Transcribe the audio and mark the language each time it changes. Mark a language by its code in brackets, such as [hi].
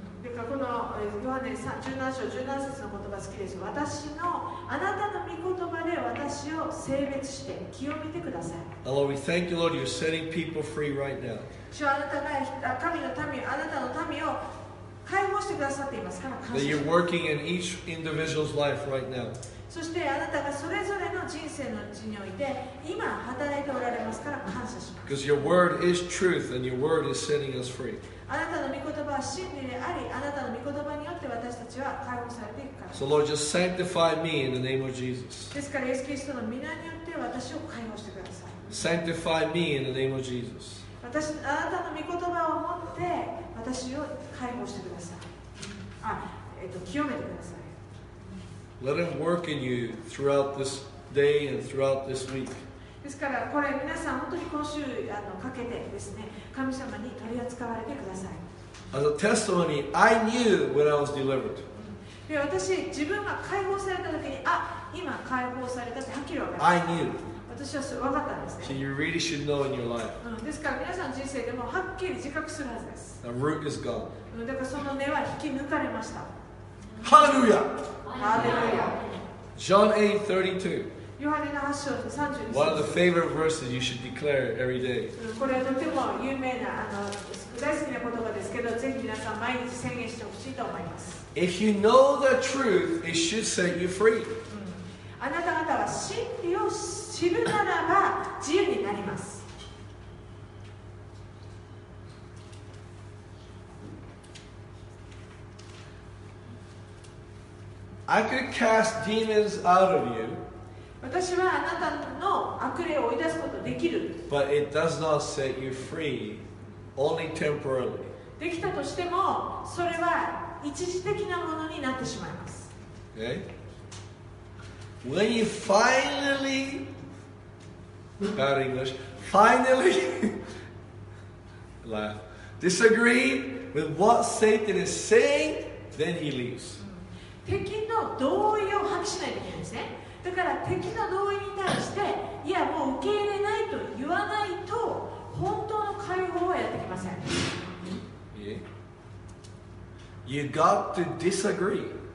[ja] このヨハネ17章17節の言葉好きです。私のあなたの御言葉で私を聖別して清めてください。 [en] Lord, we thank you, Lord, you're setting people free right now. [ja] 主はあなたが神の民、あなたの民を解放してくださっていますから感謝します。 [en] You're working in each individual's life right now. [ja] そしてあなたがそれぞれの人生のうちにおいて今働いておられますから感謝します。 [en] Because your word is truth and your word is setting us free. [ja] あなたの御言葉は真理であり、あなたの御言葉によって私たちは解放されていくから。 [en] So Lord, just sanctify me in the name of Jesus. [ja] ですからイエス・キリストの御名によって私を解放してください。 [en] Sanctify me in the name of Jesus. [ja] 私あなたの御言葉を持って私を解放してください。清めてください。 [en] Let him work in you throughout this day and throughout this week. [ja] ですからこれ皆さん本当に今週かけてですね、神様に取り扱われてください。 [en] As a testimony, I knew when I was delivered. [ja] で私自分が解放された時に、あ、今解放されたってはっきり分か [en] る。I knew. [ja] 私はそれ分かったんですね。 [en] So you really should know in your life. [ja] ですから皆さん人生でもはっきり自覚するはずです。 [en] The root is gone. [ja] だからその根は引き抜かれました。ハレルヤ。ハレルヤ。 [en] John 8:32. [ja] ヨハネの8章32 [en] 節。One of the favorite verses you should declare every day. [ja] これはとても有名な大好きな言葉ですけど、ぜひ皆さん毎日宣言してほしいと思います。 [en] If you know the truth, it should set you free. [ja] あなた方は真理を知るならば自由になります。 [en] I could cast demons out of you, [ja] 私はあなたの悪霊を追い出すことができる。 [en] But it does not set you free, only temporarily. [ja] できたとしてもそれは一時的なものになってしまいます。 [en] Okay? When you finallyBad English. Finally, laugh. Disagree with what Satan is saying, then he leaves. [ja] 敵の同意を吐きしないといけないですね。だから敵の同意に対して、いやもう受け入れないと言わないと、本当の解放はやってきません。 [en] Yeah. You got to disagree.